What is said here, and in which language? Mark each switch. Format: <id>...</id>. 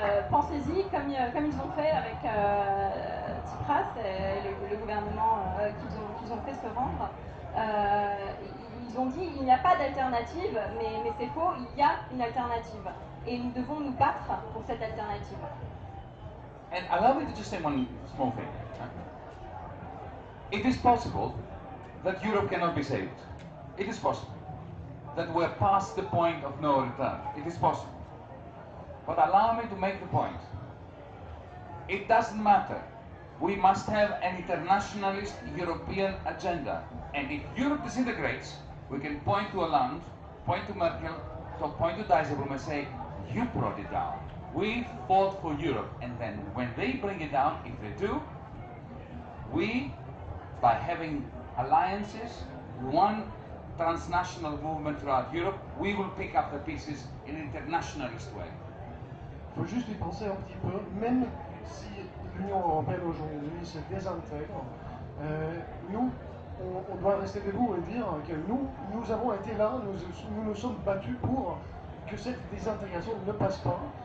<fr>Pensez-y, comme ils ont fait avec Tsipras et le gouvernement qu'ils ont fait se rendre. Ils ont dit il n'y a pas d'alternative, mais c'est faux, il y a une alternative. Et nous devons nous battre pour cette alternative.</fr> <en>And allow me to just say one small thing. It is possible that Europe cannot be saved. It is possible that we're past the point of no return. It is possible. But allow me to make the point. It doesn't matter. We must have an internationalist European agenda. And if Europe disintegrates, we can point to Hollande, point to Merkel, point to Dijsselbloem and say, you brought it down. We fought for Europe. And then when they bring it down, if they do, we, by having alliances, one transnational movement throughout Europe, we will pick up the pieces in an internationalist way.</en> <fr>Il faut juste y penser un petit peu, même si l'Union européenne aujourd'hui se désintègre, nous, on doit rester debout et dire que nous avons été là, nous nous sommes battus pour que cette désintégration ne passe pas.</fr>